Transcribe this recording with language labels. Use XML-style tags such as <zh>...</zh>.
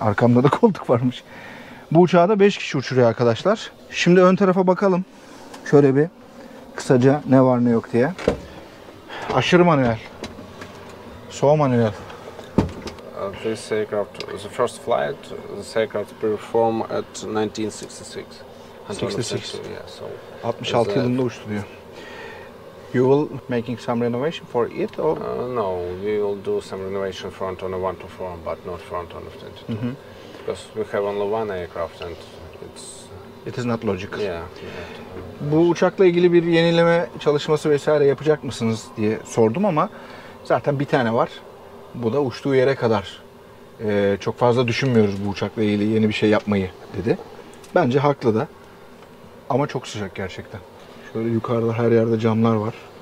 <tr>Arkamda da koltuk varmış. Bu uçağı da 5 kişi uçuruyor arkadaşlar. Şimdi ön tarafa bakalım. Şöyle bir kısaca ne var ne yok diye. Aşırı manuel. Soğuk manuel.</tr> <en>This aircraft, the first flight, this aircraft performed at 1966.</en> <tr>66. 66 yılında uçtu diyor.</tr> <en>You will making some renovation for it or? No, we will do some renovation for Antonov 124, but not for Antonov 22. Because we have only one aircraft and it is not logical. Yeah.</en> <tr>Bu uçakla ilgili bir yenileme çalışması vesaire yapacak mısınız diye sordum ama zaten bir tane var. bu da uçtuğu yere kadar çok fazla düşünmüyoruz bu uçakla ilgili yeni bir şey yapmayı dedi. Bence haklı da. Ama çok sıcak gerçekten. Şöyle yukarıda her yerde camlar var.</tr>